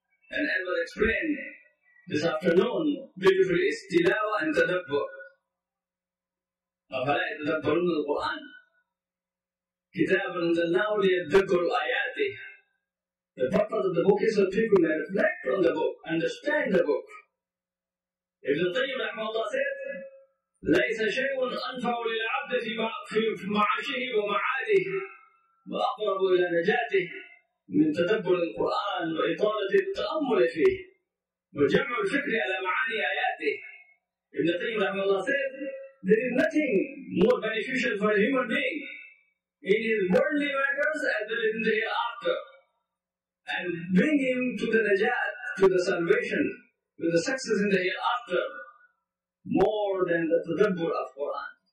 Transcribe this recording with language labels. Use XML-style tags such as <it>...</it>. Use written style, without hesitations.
<en>And I will explain this afternoon beautifully is tilawa and tadabbur.</en> <ar>أَفَلَا يَتَدَبَّرُونَ الْقُرْآنَ كِتَابًا أَنزَلْنَاهُ لِيَدَّبَّرُوا آيَاتِهِ.</ar> <en>The purpose of the book is so people may reflect on the book, understand the book. Ibn Qayyim rahimahullah said,</en> <ar>لَيْسَ شَيْءٌ أَنْفَعُ لِلْعَبْدِ فِي مَعَاشِهِ وَمَعَادِهِ وَأَقْرَبُ إِلَى نَجَاتِهِ مِنْ تَدَبُّرِ الْقُرْآنِ وَإِطَالَةِ التَّأَمُّلِ فِيهِ وَجَمْعُ الْفِكْرِ عَلَى مَعَانِي آيَاتِهِ.</ar> <en>Ibn Qayyim rahimahullah said, there is nothing more beneficial for a human being in his worldly matters as well as in the hereafter, and bring him to the najat, to the salvation, to the success in the hereafter, more than the tadabbur of Quran,</en>